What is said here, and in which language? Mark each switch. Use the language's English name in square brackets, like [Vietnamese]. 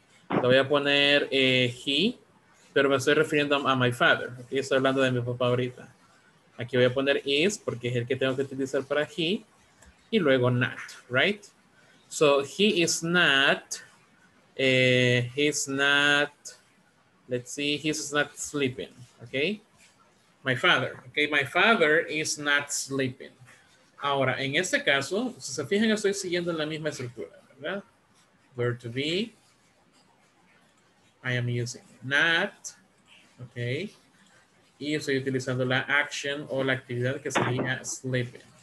[Spanish] Le voy a poner he, pero me estoy refiriendo a [English] my father. [Spanish] Aquí estoy hablando de mi papá ahorita. Aquí voy a poner is, porque es el que tengo que utilizar para he. Y luego not, right? [English] So he is not, he's not, let's see, he's not sleeping. Okay, my father. Okay, my father is not sleeping. [Spanish] Ahora, en este caso, si se fijan, estoy siguiendo la misma estructura, ¿verdad? Verb to be. [English] I am using not. Okay. [Spanish] Y estoy utilizando la action o la actividad que sería sleeping.